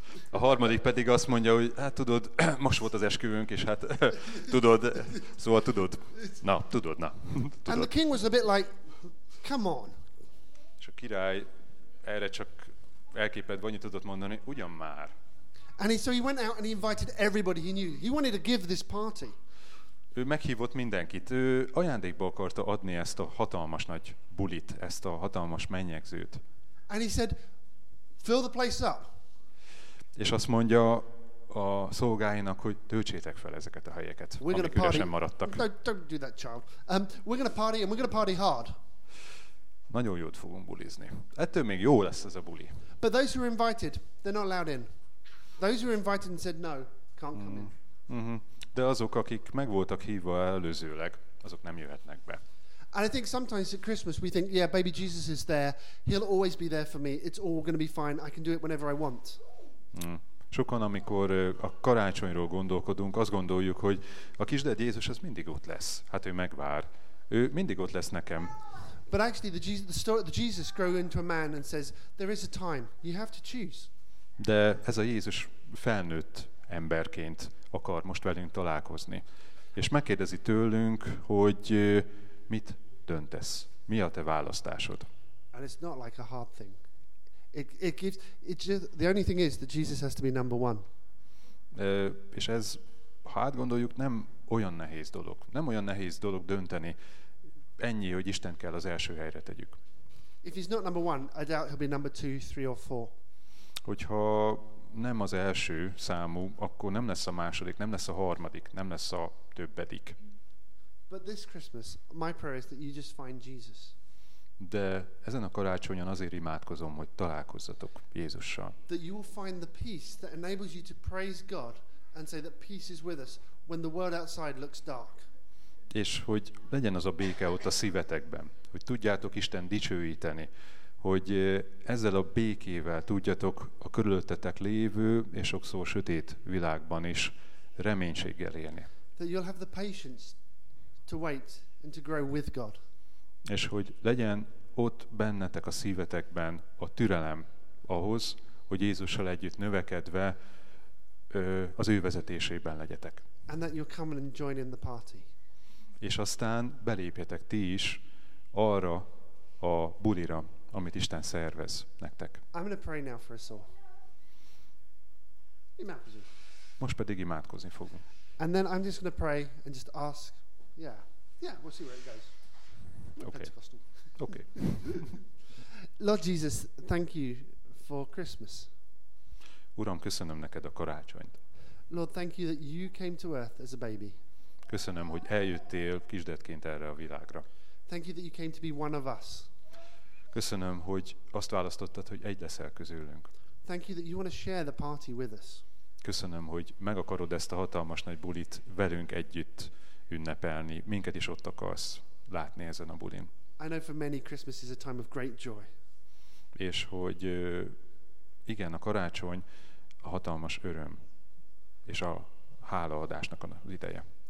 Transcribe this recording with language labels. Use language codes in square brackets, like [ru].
[hu] A harmadik pedig azt mondja, hogy hát tudod, most volt az esküvünk, és hát tudod, szóval tudod. Na, tudod. [en] And the king was a bit like, come on. [hu] És a király erre csak elképedve annyit tudott mondani, ugyan már. [en] And so he went out and he invited everybody he knew. He wanted to give this party. [hu] Ő meghívott mindenkit. Ő ajándékba akarta adni ezt a hatalmas nagy bulit, ezt a hatalmas mennyegzőt. [en] And he said, fill the place up. [hu] És azt mondja a szolgáinak, hogy töltsétek fel ezeket a helyeket, amik üresen maradtak. [en] No, don't do that, child. We're going to party, and we're going to party hard. [hu] Nagyon jót fogunk bulizni. Ettől még jó lesz ez a buli. [en] But those who are invited, they're not allowed in. Those who are invited and said no, can't come in. [hu] De azok, akik meg voltak hívva előzőleg, azok nem jöhetnek be. [en] And I think sometimes at Christmas we think, yeah, baby Jesus is there. He'll always be there for me. It's all going to be fine. I can do it whenever I want. Mm. [hu] Sokan, amikor a karácsonyról gondolkodunk, azt gondoljuk, hogy a kisded Jézus az mindig ott lesz. Hát ő megvár. Ő mindig ott lesz nekem. [en] But actually the Jesus grew into a man and says, there is a time. You have to choose. [hu] De ez a Jézus felnőtt emberként akar most velünk találkozni. És megkérdezi tőlünk, hogy mit döntesz? Mi a te választásod? [en] And it's not like a hard thing. It gives, the only thing is that Jesus has to be number one. [hu] És ez, ha átgondoljuk, nem olyan nehéz dolog. Nem olyan nehéz dolog dönteni. Ennyi, hogy Isten kell az első helyre tegyük. [en] If he's not number one, I doubt he'll be number two, three or four. [hu] Hogyha nem az első számú, akkor nem lesz a második, nem lesz a harmadik, nem lesz a többedik. [en] But this Christmas, my prayer is that you just find Jesus. [hu] De ezen a karácsonyon azért imádkozom, hogy találkozzatok Jézussal. [en] That you will find the peace that enables you to praise God and say that peace is with us when the world outside looks dark. [hu] És hogy legyen az a béke ott a szívetekben, hogy tudjátok Isten dicsőíteni, hogy ezzel a békével tudjatok a körülöttetek lévő és sokszor sötét világban is reménységgel élni. [en] That you'll have the patience to wait and to grow with God. [hu] És hogy legyen ott bennetek a szívetekben a türelem ahhoz, hogy Jézussal együtt növekedve az ő vezetésében legyetek. [en] And that you'll come and join in the party. [hu] És aztán belépjetek ti is arra a bulira, amit Isten szervez nektek. [en] I'm going to pray now for us all. [hu] Imádkozunk. Most pedig imádkozni fogunk. [en] And then I'm just going to pray and just ask. Yeah, we'll see where it goes. Okay. Lord Jesus, thank you for Christmas. [hu] Uram, köszönöm neked a karácsonyt. [en] Lord, thank you that you came to earth as a baby. [hu] Köszönöm, hogy eljöttél kisdedként erre a világra. [en] Thank you that you came to be one of us. [hu] Köszönöm, hogy azt választottad, hogy egy leszel közülünk. [en] Thank you that you want to share the party with us. [hu] Köszönöm, hogy meg akarod ezt a hatalmas nagy bulit velünk együtt ünnepelni. Minket is ott akarsz látni ezen a bulin. [en] I know for many Christmas is a time of great joy. [hu] És hogy igen, a karácsony a hatalmas öröm és a hálaadásnak az ideje.